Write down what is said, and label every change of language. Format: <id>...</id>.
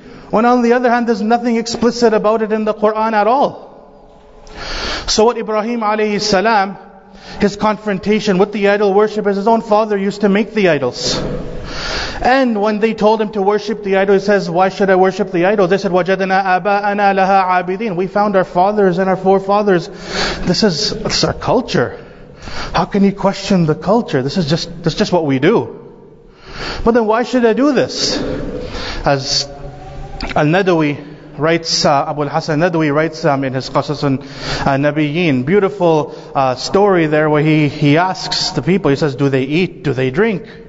<en>When on the other hand, there's nothing explicit about it in the Quran at all. So what Ibrahim alayhi salam, his confrontation with the idol worship is, his own father used to make the idols. And when they told him to worship the idol, he says, why should I worship the idol? They said,</en> <ar>وَجَدْنَا أَبَاءَنَا لَهَا عَابِدِينَ.</ar> <en>We found our fathers and our forefathers. This is our culture. How can you question the culture? This is just what we do. But then why should I do this? As Al-Nadawi writes, Abu al-Hasan Nadwi writes in his Qasas al-Nabiyyin, beautiful story there where he asks the people, he says, do they eat? Do they drink?</en>